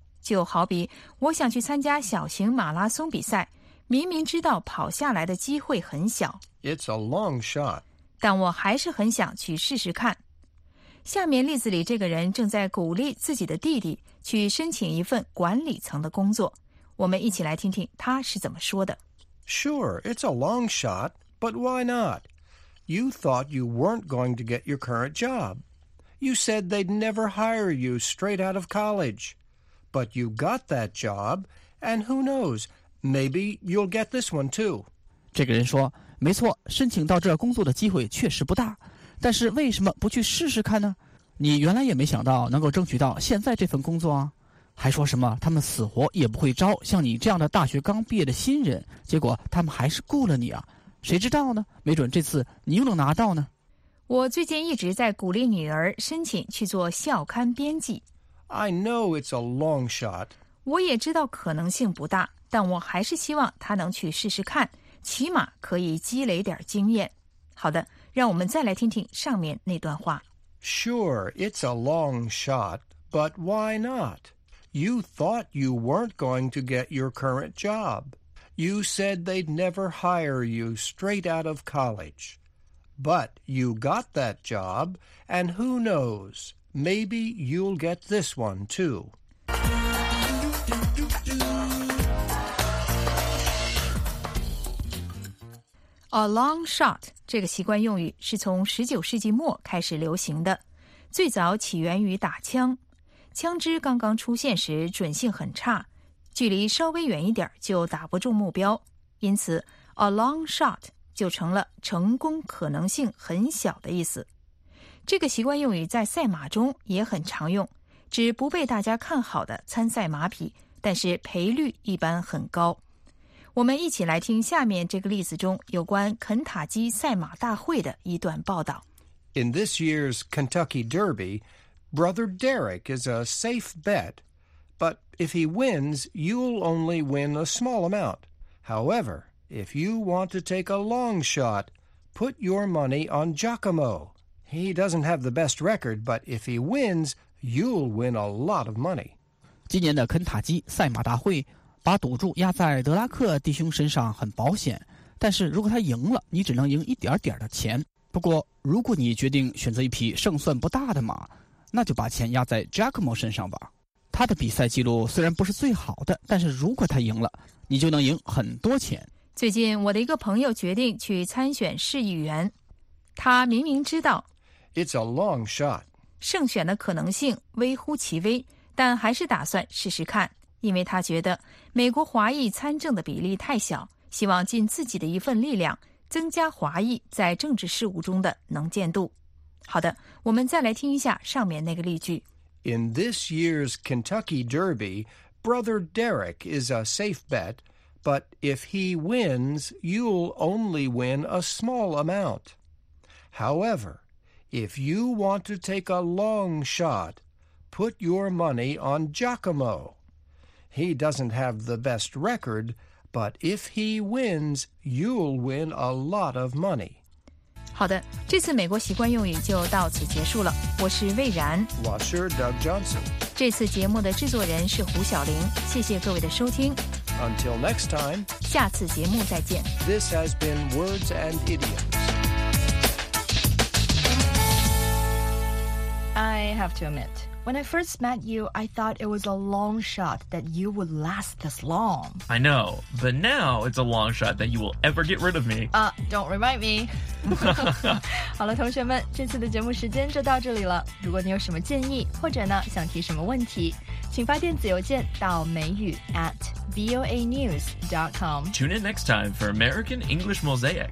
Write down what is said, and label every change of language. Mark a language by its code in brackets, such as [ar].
[zh] 就好比我想去参加小型马拉松比赛，明明知道跑下来的机会很小 [en] ，It's a long shot， [zh] 但我还是很想去试试看。下面例子里，这个人正在鼓励自己的弟弟去申请一份管理层的工作。我们一起来听听他是怎么说的。 [en] Sure, it's a long shot, but why not? You thought you weren't going to get your current job. You said they'd never hire you straight out of college. But you got that job, and who knows, maybe you'll get this one too. [zh] 这个人说，没错，申请到这工作的机会确实不大，但是为什么不去试试看呢？你原来也没想到能够争取到现在这份工作啊。还说什么他们死活也不会招像你这样的大学刚毕业的新人，结果他们还是雇了你啊。谁知道呢？没准这次你又能拿到呢。我最近一直在鼓励女儿申请去做校刊编辑。 [en] I know it's a long shot. [zh] 我也知道可能性不大，但我还是希望她能去试试看，起码可以积累点经验。好的，让我们再来听听上面那段话。 [en] Sure, it's a long shot, but why not? You thought you weren't going to get your current job. You said they'd never hire you straight out of college. But you got that job, and who knows, maybe you'll get this one, too. [zh] A long shot, 这个习惯用语是从19世纪末开始流行的，最早起源于打枪。枪支刚刚出现时准性很差，距离稍微远一点就打不中目标，因此 a long shot 就成了成功可能性很小的意思。这个习惯用语在赛马中也很常用，指不被大家看好的参赛马匹，但是赔率一般很高。我们一起来听下面这个例子中有关肯塔基赛马大会的一段报道。 [en] In this year's Kentucky Derby, Brother Derek is a safe bet. But if he wins, you'll only win a small amount. However, if you want to take a long shot, put your money on Giacomo. He doesn't have the best record, but if he wins, you'll win a lot of money. [zh] 今年的肯塔基赛马大会把赌注压在德拉克弟兄身上很保险，但是如果他赢了，你只能赢一点点的钱。不过如果你决定选择一匹胜算不大的马，那就把钱压在 Giacomo 身上吧。他的比赛记录虽然不是最好的，但是如果他赢了，你就能赢很多钱。最近我的一个朋友决定去参选市议员，他明明知道 [en] It's a long shot [zh] 胜选的可能性微乎其微，但还是打算试试看，因为他觉得美国华裔参政的比例太小，希望尽自己的一份力量增加华裔在政治事务中的能见度。好的，我们再来听一下上面那个例句。 [en] In this year's Kentucky Derby, Brother Derek is a safe bet, but if he wins, you'll only win a small amount. However, if you want to take a long shot, put your money on Giacomo. He doesn't have the best record, but if he wins, you'll win a lot of money. [zh] 好的，这次美国习惯用语就到此结束了。我是魏然，我是 Doug Johnson。这次节目的制作人是胡晓玲，谢谢各位的收听。 [en] Until next time， [zh] 下次节目再见。 [en] This has been Words and Idioms. I have to admit, when I first met you, I thought it was a long shot that you would last this long. I know, but now it's a long shot that you will ever get rid of me. Don't remind me. [zh] 好了，同学们，这次的节目时间就到这里了。如果你有什么建议，或者呢想提什么问题，请发电子邮件到美语@voanews.com. [en] Tune in next time for American English Mosaic.